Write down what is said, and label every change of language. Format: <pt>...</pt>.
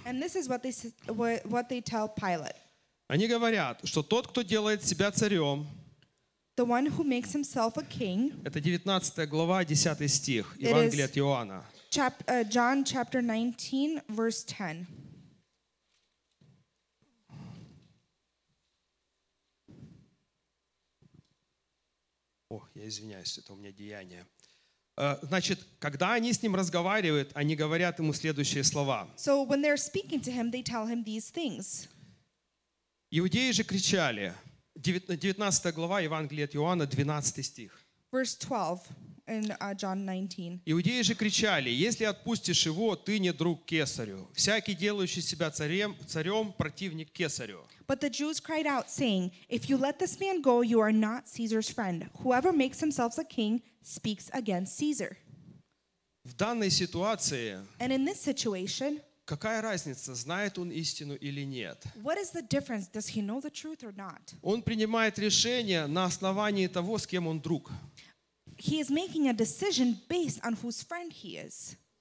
<en>And this is what they tell Pilate.</en> <ru>Они говорят, что тот, кто делает себя царем,</ru> <en>the one who makes himself a king,</en> <ru>это 19 глава, 10 стих Евангелия от Иоанна.</ru> <en>John chapter 19, verse 10.</en> <ru>Я извиняюсь, это у меня деяние. Значит, когда они с ним разговаривают, они говорят ему следующие слова.</ru> <en>So when they're speaking to him, they tell him these things.</en> <ru>Иудеи же кричали. 19 глава Евангелия от Иоанна, 12 стих.</ru> <en>Verse 12 in John 19.</en> <ru>Иудеи же кричали, если отпустишь его, ты не друг кесарю. Всякий, делающий себя царем, противник кесарю.</ru> <en>But the Jews cried out, saying, if you let this man go, you are not Caesar's friend. Whoever makes himself a king speaks against Caesar.</en> <ru>В данной ситуации,</ru> <en>and in this situation,</en> <ru>какая разница, знает он истину или нет?</ru> <en>What is the difference? Does he know the truth or not?</en> <ru>Он принимает решение на основании того, с кем он друг.</ru> <en>He is making a decision based on whose friend he is.</en>